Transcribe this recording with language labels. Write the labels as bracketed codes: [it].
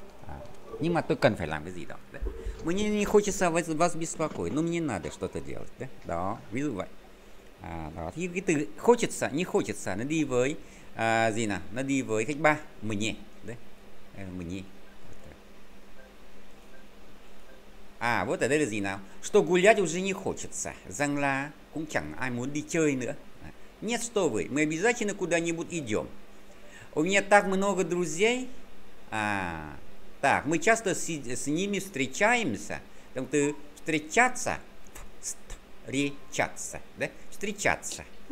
[vi] À nhưng mà tôi cần phải làm cái gì đó. Đấy. [ru] Мне не хочется вас беспокоить. Ну мне надо что-то делать, да? [vi] Đó, ví dụ vậy. À, đó thì cái từ хочется như хочется nó đi với gì nào nó đi với cách ba mình nhỉ đấy mình nhỉ à вот ở đây là gì nào [ru] что гулять уже не хочется [vi] rằng là cũng chẳng ai muốn đi chơi nữa [ru] нет что вы мы обязательно куда-нибудь идем у меня так много друзей à так мы часто с ними встречаемся там từ встречаться встречаться đấy встречаться.